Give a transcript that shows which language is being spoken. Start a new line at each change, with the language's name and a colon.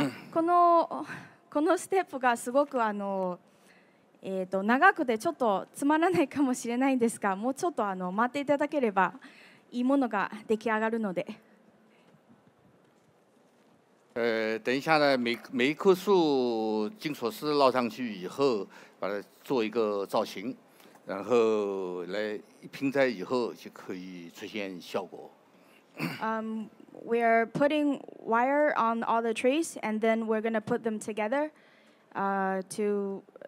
Japanese: このステップがすごくあの。長くてちょっとつまらないかもしれないんですが、もうちょっとあの待っていただければいいものが出来上がるので。
Chinese: 等一下呢，每一棵树金属丝绕上去以后，把它做一个造型，然后来一拼在以后就可以出现效果。
English: We are putting wire on all the trees, and then we're going to put them together, to.